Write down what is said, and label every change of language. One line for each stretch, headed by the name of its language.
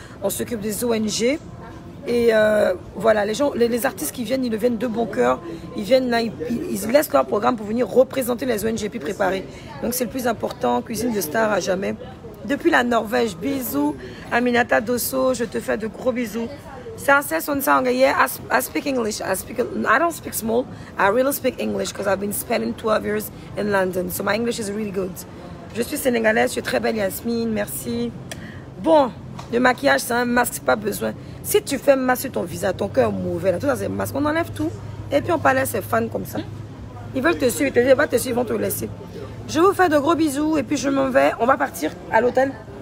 French: On s'occupe des ONG. Et voilà, les gens, les artistes qui viennent, ils deviennent de bon cœur. Ils viennent là, ils laissent leur programme pour venir représenter les ONG puis préparer. Donc c'est le plus important. Cuisine de Star à jamais. Depuis la Norvège, bisous. Aminata Dosso, je te fais de gros bisous.
English: Sanchez on song, yeah, I speak English. I don't speak small. I really speak English because I've been spending 12 years in London. So my English is really good.
French: Je suis sénégalaise, je suis très belle Yasmine, merci. Bon, le maquillage, c'est un masque, pas besoin. Si tu fais masque sur ton visage, ton cœur mauvais, là, tout ça c'est masque, on enlève tout. Et puis on parle à ses fans comme ça. Ils veulent te suivre, ils ne veulent pas te suivre, ils vont te laisser. Je vous fais de gros bisous et puis je m'en vais. On va partir à l'hôtel.